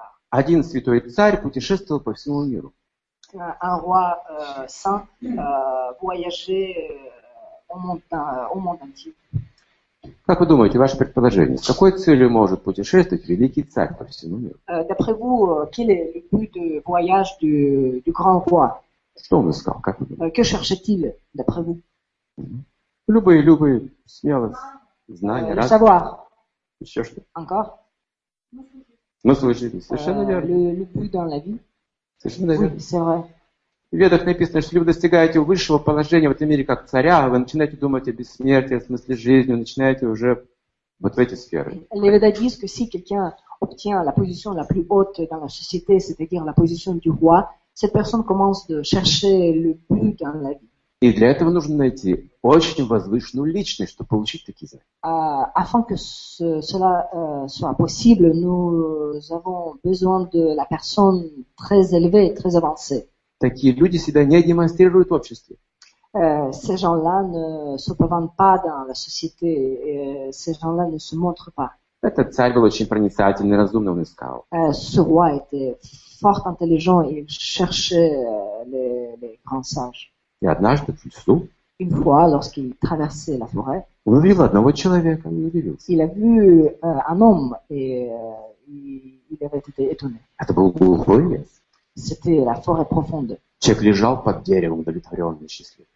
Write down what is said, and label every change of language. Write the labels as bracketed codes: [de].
[ru] Один святой царь путешествовал по всему миру. [fr] Un roi saint voyageait au monde entier. [ru] Как вы думаете, ваше предположение, с какой целью может путешествовать великий царь по всему миру? [fr] D'après vous, quel est le but de voyage du grand roi? [ru] Что он искал? Как вы думаете? [fr] Que cherchait-il, d'après vous? [ru] Любые смелость, знания, радость. [fr] Savoir. [ru] Еще что? [fr] Encore? [ru] Смысл жизни. Совершенно верно. Любовь [fr] dans la vie. [ru] Совершенно верно. [fr] C'est vrai. [ru] В Ведах написано, что если вы достигаете высшего положения в этом мире как царя, вы начинаете думать о бессмертии, о смысле жизни, начинаете уже вот в эти сферы. [fr] Les Védas disent que si quelqu'un obtient la position la plus haute dans la société, c'est-à-dire la position du roi, cette personne commence de chercher le but dans la vie. [ru] И для этого нужно найти очень возвышенную личность, чтобы получить такие знания. [fr] Afin que cela soit possible, nous avons besoin de la personne très élevée, très avancée. [ru] Такие люди себя не демонстрируют в обществе. [fr] Ces gens-là ne se présentent pas dans la société. Ces gens-là ne se montrent pas. [ru] Этот царь был очень проницательный, разумный, он искал. [fr] Ce roi était fort intelligent, il cherchait les grands sages. [ru] И однажды в лесу. [fr] Une fois, lorsqu'il traversait la forêt. [ru] Он увидел одного человека, он удивился. [fr] Il a vu un homme et il avait été étonné. [ru] Это был глухой лес. [fr] C'était la forêt profonde. [ru] Человек лежал под деревом, удовлетворенный и счастливый.